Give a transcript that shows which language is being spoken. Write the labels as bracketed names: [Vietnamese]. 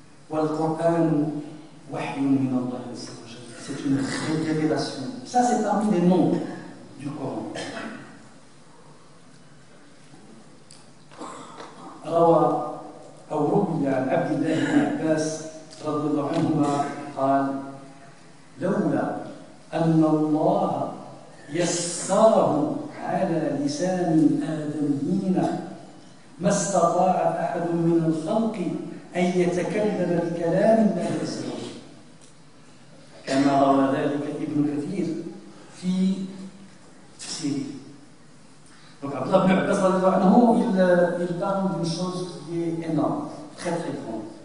[Arabic] Wal Qur'an wahyun min Allah. [French] C'est une révélation. Ça, c'est parmi les noms du Coran. [Arabic] روى أو روي عن عبد الله بن عباس رضي الله عنهما قال لولا أن الله يسره على لسان آدميين ما استطاع أحد من الخلق أن يتكلم بكلام لا يسره. كما روى ذلك ابن كثير في تفسيره. [French] Donc Abdullah ibn Abbas, il parle d'une chose qui est énorme, très très grande.